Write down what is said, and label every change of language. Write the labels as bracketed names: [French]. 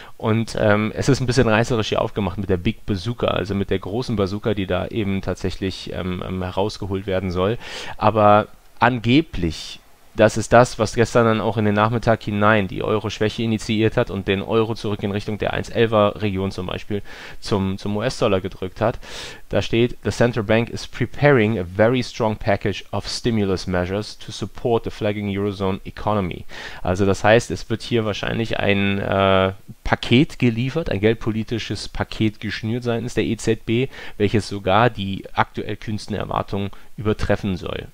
[German] Und es ist ein bisschen reißerisch hier aufgemacht mit der [English] big bazooka, [German] also mit der großen Bazooka, die da eben tatsächlich herausgeholt werden soll. Aber angeblich, das ist das, was gestern dann auch in den Nachmittag hinein die Euro-Schwäche initiiert hat und den Euro zurück in Richtung der 1,11er-Region zum Beispiel zum US-Dollar gedrückt hat. [English] Da steht, the central bank is preparing a very strong package of stimulus measures to support the flagging Eurozone economy. [German] Also das heißt, es wird hier wahrscheinlich ein Paket geliefert, ein geldpolitisches Paket geschnürt seitens der EZB, welches sogar die aktuell kühnsten Erwartungen übertreffen soll.